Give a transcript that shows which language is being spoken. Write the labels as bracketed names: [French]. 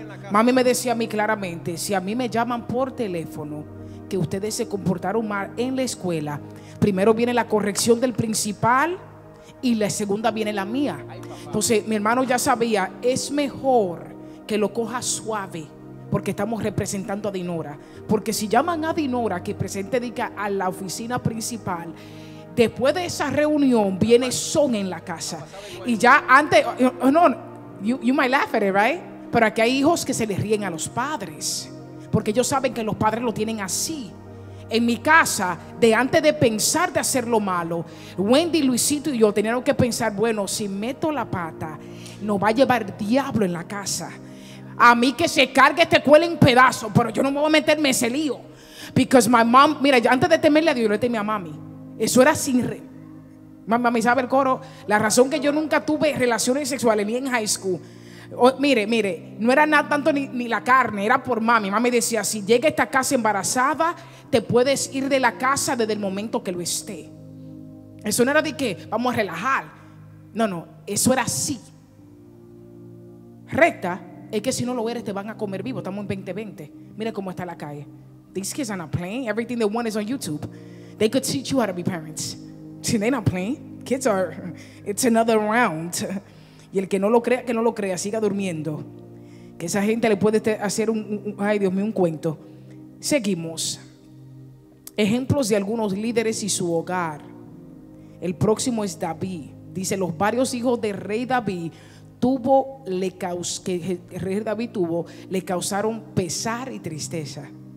[Spanish] Mami me decía a mí claramente: si a mí me llaman por teléfono que ustedes se comportaron mal en la escuela, primero viene la corrección del principal y la segunda viene la mía. Entonces mi hermano ya sabía, es mejor que lo coja suave, porque estamos representando a Dinora. Porque si llaman a Dinora que presente diga a la oficina principal, después de esa reunión viene son en la casa. Y ya antes, no, [English] you might laugh at it, right? [Spanish] Pero aquí hay hijos que se les ríen a los padres, porque ellos saben que los padres lo tienen así. En mi casa, de antes de pensar de hacer lo malo, Wendy, Luisito y yo teníamos que pensar: bueno, si meto la pata, nos va a llevar diablo en la casa. A mí que se cargue este cuello en pedazos, pero yo no me voy a meterme ese lío. [English] Because my mom, [Spanish] mira, yo antes de temerle a Dios, yo le temía a mami. Eso era sin re. Mami, ¿sabe el coro? La razón que yo nunca tuve relaciones sexuales ni en high school. Mire, no era nada tanto ni la carne, era por mami. Mami decía: si llega a esta casa embarazada, te puedes ir de la casa desde el momento que lo esté. Eso no era de que vamos a relajar. No, eso era así. recta es que si no lo eres te van a comer vivo. Estamos en 2020. Mira cómo está la calle. [English] These kids are not playing. Everything they want is on YouTube. They could teach you how to be parents. See, they're not playing. Kids are, it's another round. [Spanish] Y el que no lo crea, siga durmiendo. Que esa gente le puede hacer un ay Dios mío, un cuento. Seguimos. Ejemplos de algunos líderes y su hogar. El próximo es David. Dice, los varios hijos de rey David tuvo, que rey David tuvo, le causaron pesar y tristeza.